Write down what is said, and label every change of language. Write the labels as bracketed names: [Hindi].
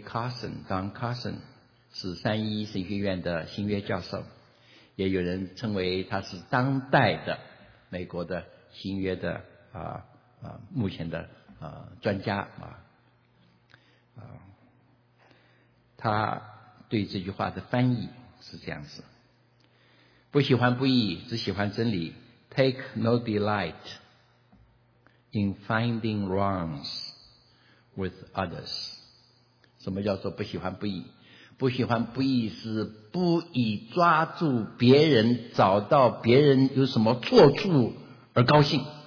[Chinese] Carson Don Carson 是三一神学院的新约教授，也有人称为他是当代的美国的新约的目前的专家他对这句话的翻译是这样子：不喜欢不义，只喜欢真理。 [English] Take no delight in finding wrongs with others。 [Chinese] 什么叫做不喜欢不义？不喜欢不义是不以抓住别人，找到别人有什么错处而高兴。